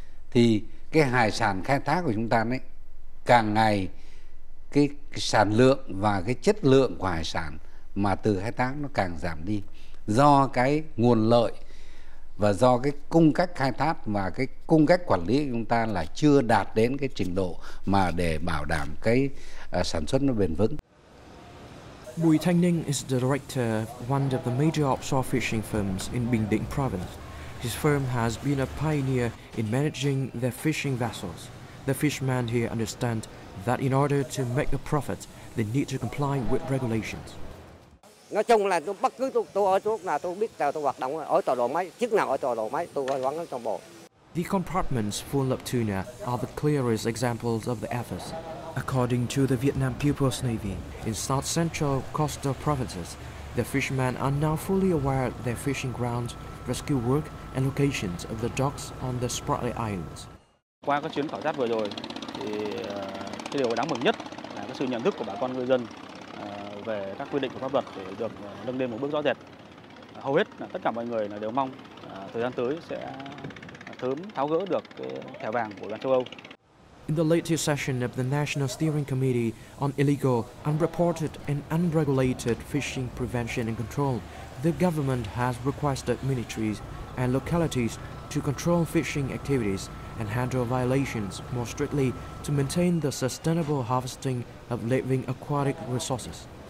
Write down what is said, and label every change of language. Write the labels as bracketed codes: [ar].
[vi] Thì cái hải sản khai thác của chúng ta đấy, càng ngày cái sản lượng và cái chất lượng của hải sản mà từ khai thác nó càng giảm đi, do cái nguồn lợi và do cái cung cách khai thác và cái cung cách quản lý của chúng ta là chưa đạt đến cái trình độ mà để bảo đảm cái sản xuất nó bền vững. [en] Bùi Thanh Ninh is the director of one of the major offshore fishing firms in Bình Định province. His firm has been a pioneer in managing their fishing vessels. The fishermen here understand that in order to make a profit, they need to comply with regulations. [vi] Nói chung là tôi bất cứ tôi ở chỗ nào tôi biết là tôi hoạt động ở tàu đồ máy, chức nào ở tàu đồ máy tôi hoạt động trong bộ. [en] The compartments full of tuna are the clearest examples of the efforts. According to the Vietnam People's Navy, in South Central Coastal Provinces, the fishermen are now fully aware of their fishing grounds, rescue work and locations of the docks on the Spratly Islands. [vi] Qua các chuyến khảo sát vừa rồi, thì cái điều đáng mừng nhất là cái sự nhận thức của bà con ngư dân về các quy định của pháp luật để được nâng lên một bước rõ rệt. Hầu hết là tất cả mọi người đều mong thời gian tới sẽ sớm tháo gỡ được cái thẻ vàng của Ban châu Âu. [en] In the latest session of the National Steering Committee on Illegal, Unreported and Unregulated Fishing Prevention and Control, the government has requested ministries and localities to control fishing activities and handle violations more strictly to maintain the sustainable harvesting of living aquatic resources.